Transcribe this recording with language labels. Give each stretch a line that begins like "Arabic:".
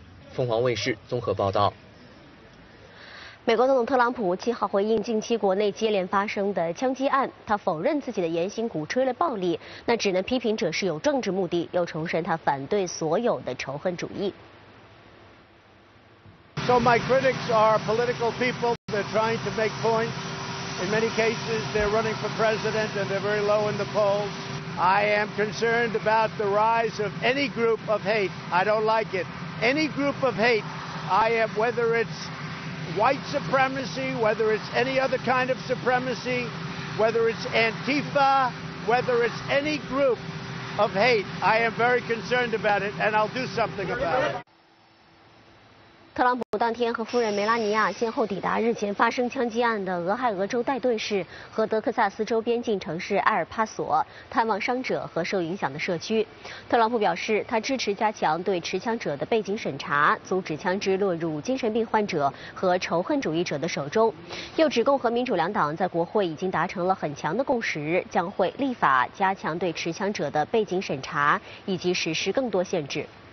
Chinese: 凤凰卫视综合报道。美国总统特朗普7号回应近期国内接连发生的枪击案，他否认自己的言行鼓吹了暴力，那指呢批评者是有政治目的，又重申他反对所有的仇恨主义。
English: So my critics are political people. They're trying to make points. In many cases, they're running for president and they're very low in the polls. I am concerned about the rise of any group of hate. I don't like it. Any group of hate, I am, whether it's white supremacy, whether it's any other kind of supremacy, whether it's Antifa, whether it's any group of hate, I am very concerned about it, and I'll do something about it.
Chinese: 特朗普当天和夫人梅拉尼亚先后抵达日前发生枪击案的俄亥俄州戴顿市和德克萨斯州边境城市埃尔帕索，探望伤者和受影响的社区。特朗普表示，他支持加强对持枪者的背景审查，阻止枪支落入精神病患者和仇恨主义者的手中，又指共和民主两党在国会已经达成了很强的共识，将会立法加强对持枪者的背景审查以及实施更多限制。